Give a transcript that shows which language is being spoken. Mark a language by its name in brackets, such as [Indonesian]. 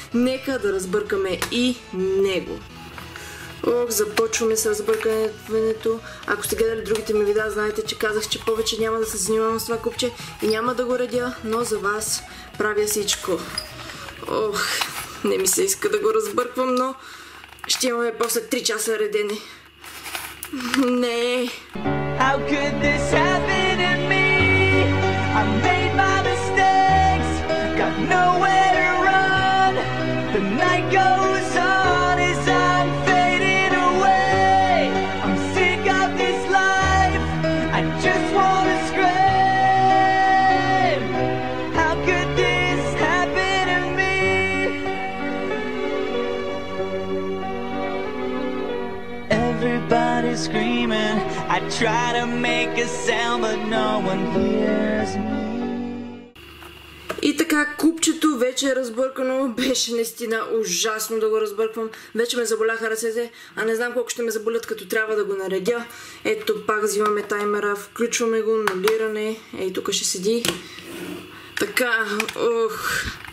[Bulgarian] Нека да разбъркаме и него. Ох, започваме с разбъркането. Ако сте гледали другите ми видеа, знаете, че казах, че повече няма да се занимавам с това купче и няма да го редя, но за вас правя всичко. Ох, не ми се иска да го разбърквам, но ще имаме после 3 часа редене. Не. [English] How could this happen to me? I made my mistakes. Got nowhere to run. The night goes on as I'm fading away. I'm sick of this life. I just wanna scream. How could this happen to me? Everybody's screaming. I try to make a sound, but no one hears me. [Bulgarian] И така, купчето вече е разбъркано. Беше наистина ужасно да го разбърквам. Вече ме заболяха ръцете, а не знам колко ще ме заболят, като трябва да го наредя. Ето пак взимаме таймера, включваме го, нулиране. Ей, тук ще седи. Така, ох.